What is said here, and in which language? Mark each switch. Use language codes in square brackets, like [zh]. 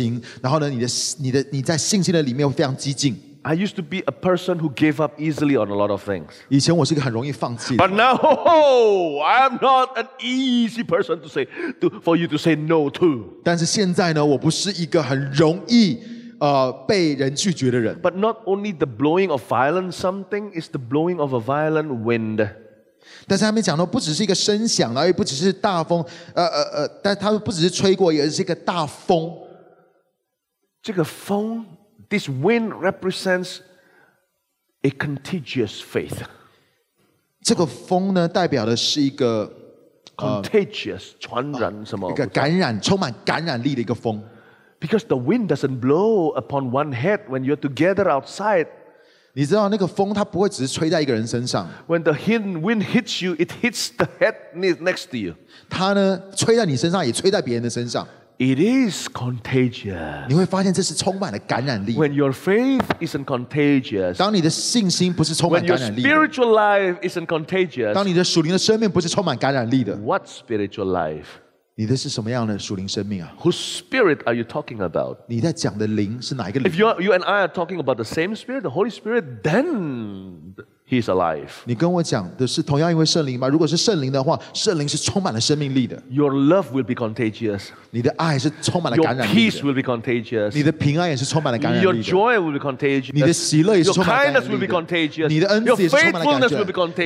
[zh] 因为当圣灵充满在你的里面的时候，你会成为一个强烈的充满热情。然后呢，你在信心的里面会非常激进。 [en] I used to be a person who gave up easily on a lot of things. [zh] 以前我是一个很容易放弃的。 [en] But now, I'm not an easy person for you to say no to. [zh] 但是现在呢，我不是一个很容易。 [en] But not only the blowing of violent something, it's the blowing of a violent wind. [zh] 但是他们讲到不只是一个声响，然后也不只是大风，但它不只是吹过，也是一个大风。 [en] This wind represents a contagious faith. [zh] 这个风呢，代表的是一个。 Contagious, 传染什么？一个感染，充满感染力的一个风。 [en] Because the wind doesn't blow upon one head when you're together outside. [zh] 你知道那个风它不会只是吹在一个人身上。 [en] When the wind hits you, it hits the head next to you. [zh] 它呢，吹在你身上，也吹在别人的身上。 [en] It is contagious. [zh] 你会发现这是充满了感染力。 [en] When your faith isn't contagious. [zh] 当你的信心不是充满感染力的。 [en] When your spiritual life isn't contagious. [zh] 当你的属灵的生命不是充满感染力的。 [en] What spiritual life? [zh] 你的是什么样的属灵生命啊？ [en] Whose spirit are you talking about? [zh] 你在讲的灵是哪一个灵？ [en] If you and I are talking about the same spirit, the Holy Spirit, then he's alive. [zh] 你跟我讲的是同样一位圣灵吗？如果是圣灵的话， 圣灵是充满了生命力的。 [en] Your love will be contagious. [zh] 你的爱是充满了感染力的。 [en] Your peace will be contagious. [zh] 你的平安也是充满了感染力的。 [en] Your joy will be contagious. [zh] 你的喜乐也是充满了感染力的。 [en] Your kindness will be contagious. [zh] 你的恩慈也是充满了感染力的。 [en] Your faithfulness will be contagious.